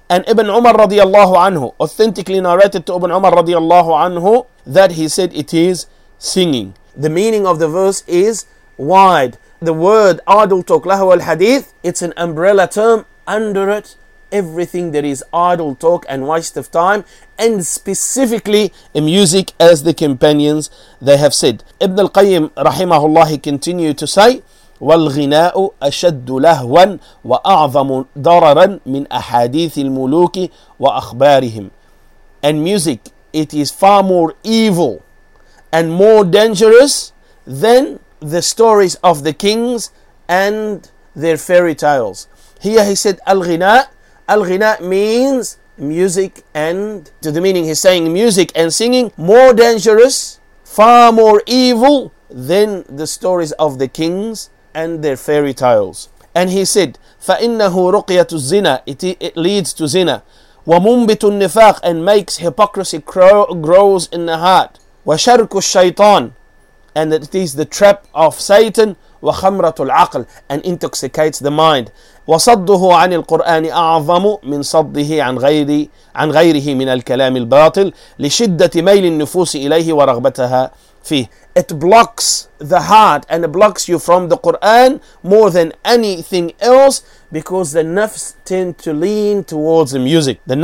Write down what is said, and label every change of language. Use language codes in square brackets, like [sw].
[en] And Ibn Umar radiallahu anhu authentically narrated to Ibn Umar radiallahu anhu that he said it is singing. The meaning of the verse is wide. The word idle talk, lahu al-hadith, it's an umbrella term. Under it, everything that is idle talk and waste of time, and specifically music, as the companions they have said. Ibn al-Qayyim rahimahullah, he continued to say, [ar] والغناءُ أشدُّ لهوًا وأعظمُ ضررًا من أحاديث الملوك وأخبارهم. [en] And music, it is far more evil and more dangerous than the stories of the kings and their fairy tales. Here he said, الغناءُ. Al-ghina means music, and to the meaning he's saying music and singing more dangerous, far more evil than the stories of the kings and their fairy tales. And he said, [ar] فَإِنَّهُ رُقْيَةُ الزِّنَا, [en] it leads to zina, [ar] وَمُنْبِتُ النِّفَاقِ, [en] and makes hypocrisy grows in the heart, [ar] وَشَرْكُ الشَّيْطَانِ, [en] and that it is the trap of Satan, [ar] وَخَمْرَةُ الْعَقْلِ, [en] and intoxicates the mind. [ar] وصده عن القرآن أعظم من صده عن غيره من الكلام الباطل لشدة ميل النفوس إليه ورغبتها فيه. [en] It blocks the heart and it blocks you from the Quran more than anything else, because the nafs tend to lean towards the music.